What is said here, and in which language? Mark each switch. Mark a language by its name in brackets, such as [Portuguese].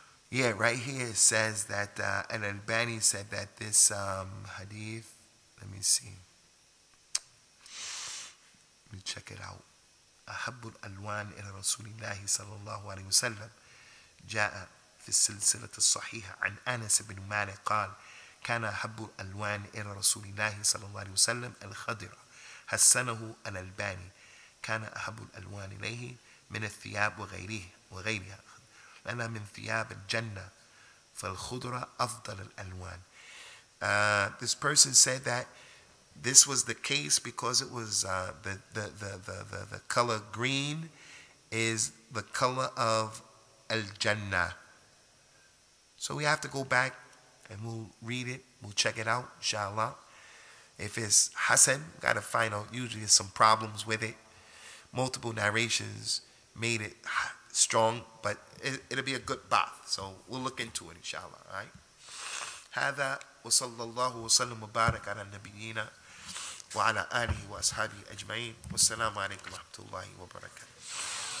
[English] Yeah, right here it says that, and then Bani said that this hadith, let me see. Let me check it out. [Arabic] أحب الألوان إلى رسول الله صلى الله عليه وسلم جاء في السلسلة الصحيحة عن أنس بن مالك قال كان أحب الألوان إلى رسول الله صلى الله عليه وسلم الخضر حسنه الألباني كان أحب الألوان إليه من الثياب وغيره وغيرها أنا من ثياب الجنة فالخضرة أفضل الألوان. [English] This person said that this was the case because it was the color green is the color of al-Jannah. So we have to go back and we'll read it. We'll check it out, inshallah. If it's Hassan, gotta find out. Usually there's some problems with it. Multiple narrations made it strong, but it'll be a good bath. So we'll look into it, inshallah. Alright. [Arabic] هذا وصلى الله وسلم وبارك على النبيين وعلى آله وأصحابه أجمعين والسلام عليكم ورحمة الله وبركاته.